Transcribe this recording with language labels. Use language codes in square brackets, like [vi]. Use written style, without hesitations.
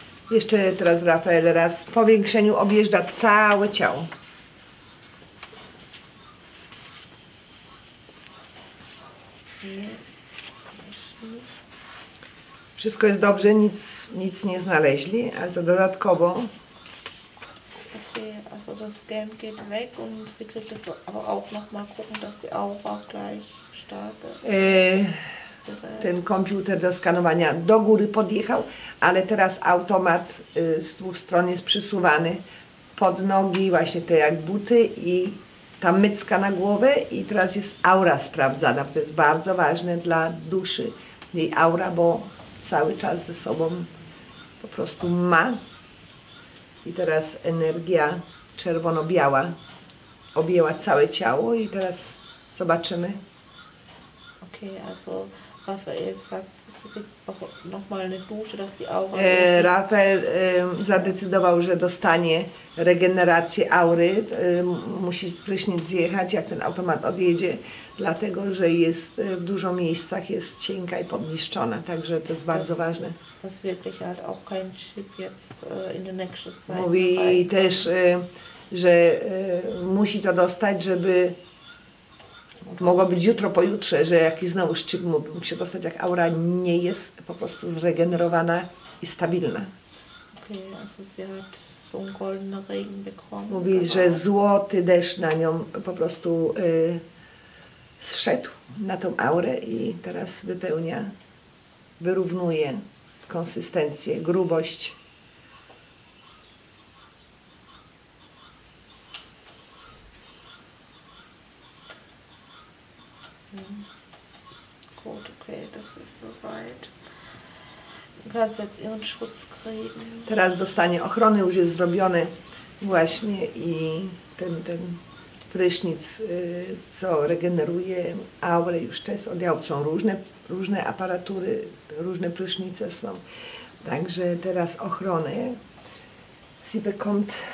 [pl] Jeszcze teraz Rafael raz w powiększeniu objeżdża całe ciało. Wszystko jest dobrze, nic nie znaleźli, ale to dodatkowo. [de] Also das Scan geht weg und sie kriegt das aber auch nochmal gucken, dass die Aura auch gleich stark ist. [pl] Ten komputer do skanowania do góry podjechał, ale teraz automat z dwóch stron jest przesuwany pod nogi, właśnie te jak buty i ta mycka na głowę i teraz jest aura sprawdzana. To jest bardzo ważne dla duszy, jej aura, bo cały czas ze sobą po prostu ma. I teraz energia czerwono-biała objęła całe ciało i teraz zobaczymy. [de] Okej, also Rafael sagt, sie kriegt doch nochmal eine Dusche, dass die Aura... [pl] Rafael zadecydował, że dostanie regenerację aury. Musi prysznic zjechać, jak ten automat odjedzie, dlatego że jest w dużo miejscach, jest cienka i podniszczona, także to jest bardzo ważne. [de] Das wirklich hat auch kein Chip jetzt in der nächsten Zeit. [pl] Mówi też, że musi to dostać, żeby mogło być jutro, pojutrze, że jakiś znowu chip mógłby się dostać, jak aura nie jest po prostu zregenerowana i stabilna. [de] Okej, also sie hat so einen goldenen Regen bekommen. [pl] Mówi, że złoty deszcz na nią po prostu zszedł na tą aurę i teraz wypełnia, wyrównuje konsystencję, grubość. [de] Gut, okay, das ist soweit. Kannst jetzt ihren Schutz kriegen. [pl] Teraz dostanie ochrony, już jest zrobiony właśnie i ten prysznic, co regeneruje aurę, już też odjał, są różne aparatury, różne prysznice są. Także teraz ochronę. [de] Sie bekommt